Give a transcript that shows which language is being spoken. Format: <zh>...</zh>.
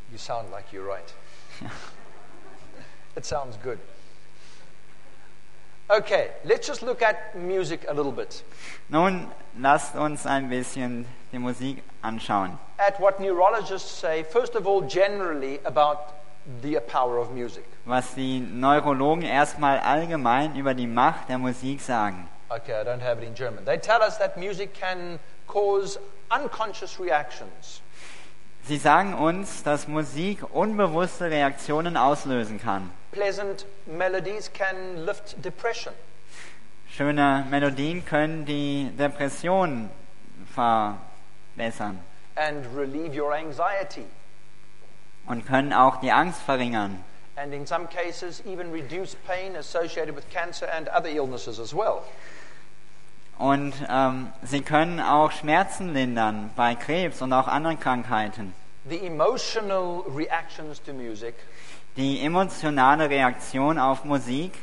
<en>You sound like you're right. It sounds good. Okay, let's just look at music a little bit.</en> <de>Nun, lasst uns ein bisschen die Musik anschauen.</de> <en>At what neurologists say, first of all, generally about the power of music.</en> <de>Was die Neurologen erstmal allgemein über die Macht der Musik sagen.</de> <en>Okay, I don't have it in German. They tell us that music can cause unconscious reactions.</en> <de>Sie sagen uns, dass Musik unbewusste Reaktionen auslösen kann.</de> <en>Pleasant melodies can lift depression.</en> <de>Schöne Melodien können die Depression verbessern.</de> <en>And relieve your anxiety.</en> <de>Und können auch die Angst verringern.</de> <en>And in some cases even reduce pain associated with cancer and other illnesses as well.</en> <de>Und sie können auch Schmerzen lindern bei Krebs und auch anderen Krankheiten.</de> <en>The emotional reactions to music.</en> <de>Die emotionale Reaktion auf Musik</de>